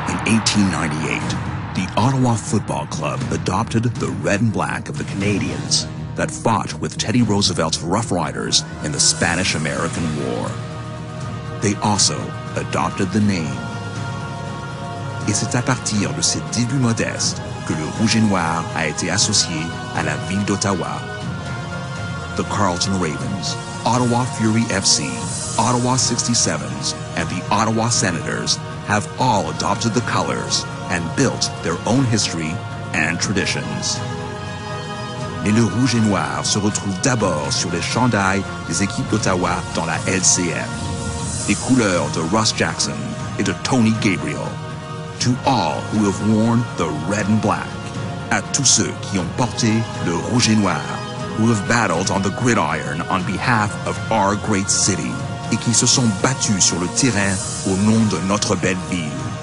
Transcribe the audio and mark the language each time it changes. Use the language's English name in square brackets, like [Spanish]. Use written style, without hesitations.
[English] In 1898, the Ottawa Football Club adopted the red and black of the Canadians that fought with Teddy Roosevelt's Rough Riders in the Spanish-American War. They also adopted the name. [French] Et c'est à partir de ces débuts modestes que le rouge et noir a été associé à la ville d'Ottawa. [English] The Carlton Ravens, Ottawa Fury FC, Ottawa 67s, and the Ottawa Senators have all adopted the colors and built their own history and traditions. [French] Mais le rouge et noir se retrouve d'abord sur les chandails des équipes d'Ottawa dans la LCF. The couleurs de Russ Jackson et de Tony Gabriel. [English] To all who have worn the red and black. [French] À tous ceux qui ont porté le rouge et noir, [English] who have battled on the gridiron on behalf of our great city, [French] et qui se sont battus sur le terrain au nom de notre belle ville.